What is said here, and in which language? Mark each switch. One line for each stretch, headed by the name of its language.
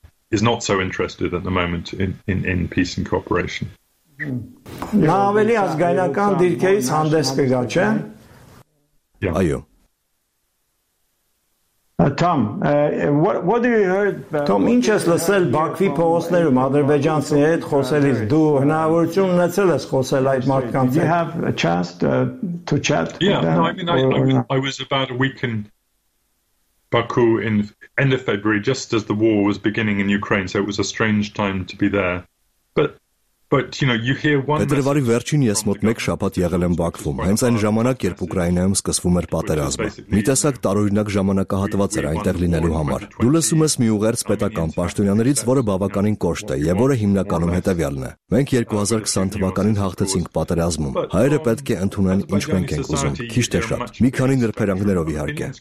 English: Is not so interested at the moment in peace and cooperation.
Armenian: Նա ավելի ազգայնական դիրքերից հանդես կգա, չէ՞։ Այո։
English: Tom, what do you heard?
Armenian: Tom, ինչ ես լսել Բաքվի փողոցներում ադրբեջանցի հետ խոսելիս, դու հնարավորություն ունեցել ես խոսել այդ մարդկանց հետ?
English: You have a chance to chat? I was about a week in Baku in end of February, just as the war was beginning in Ukraine, so it was a strange time to be there. But But you know, you hear one
Armenian: Փետրվարի վերջին ես մոտ 1 շաբաթ եղել եմ Բաքվում։ Հենց այն ժամանակ, երբ Ուկրաինայում սկսվում էր պատերազմը։ Մի տեսակ տարօրինակ ժամանակահատված էր այնտեղ լինելու համար։ Դու լսում ես մի ուղերձ պետական պաշտոնյաներից, որը բավականին կոշտ է եւ որը հիմնականում հետեւյալն է։ Մենք 2020 թվականին հաղթեցինք պատերազմում։ Հայերը պետք է ընդունեն, ինչ մենք ենք ուզում, քիչ թե շատ։ Մի քանի նրբերանգներով իհարկե,